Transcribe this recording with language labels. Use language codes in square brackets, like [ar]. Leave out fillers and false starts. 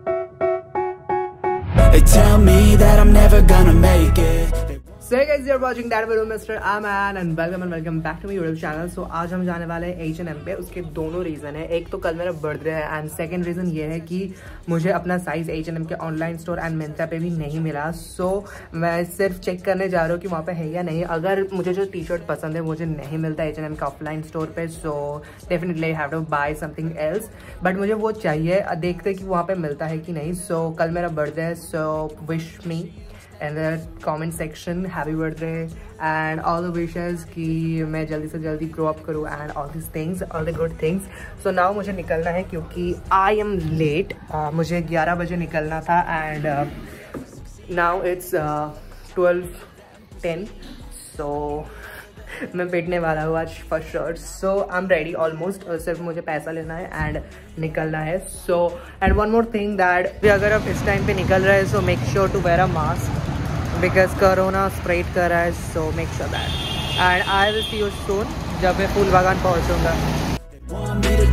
[en] They tell me that I'm never gonna make it. So hey guys, you're watching That Video Mr. Aman and welcome back to my YouTube channel. [hi] So आज हम जाने वाले हैं H&M पे. उसके दोनों reason है. एक तो कल मेरा बर्थडे है एंड सेकेंड रीजन ये है कि मुझे अपना साइज H&M के ऑनलाइन स्टोर एंड मिंत्रा पे भी नहीं मिला. सो मैं सिर्फ चेक करने जा रहा हूँ कि वहाँ पे है या नहीं. अगर मुझे जो टी शर्ट पसंद है मुझे नहीं मिलता H&M के ऑफलाइन स्टोर पे, [en] So definitely I have to buy something else. [hi] But मुझे वो चाहिए, देखते कि वहाँ पे मिलता है कि नहीं. सो कल मेरा बर्थडे है, [en] so wish me in the comment section happy birthday and all the wishes [hi] ki main jaldi se jaldi grow up karu [en] and all these things, all the good things. [hi] So now mujhe nikalna hai kyunki [en] I am late. [hi] Mujhe 11 baje nikalna tha [en] and now it's 12:10. [hi] So मैं बैठने वाला हूँ आज for sure. [en] So I am ready almost. [hi] सिर्फ मुझे पैसा लेना है एंड निकलना है. So and one more thing that अगर आप इस टाइम पे निकल रहे हैं so [en] make sure to wear a mask [hi] because corona spread कर रहा है. [en] so make sure that and I will see you soon [hi] जब मैं फूल बागान पहुँचूंगा.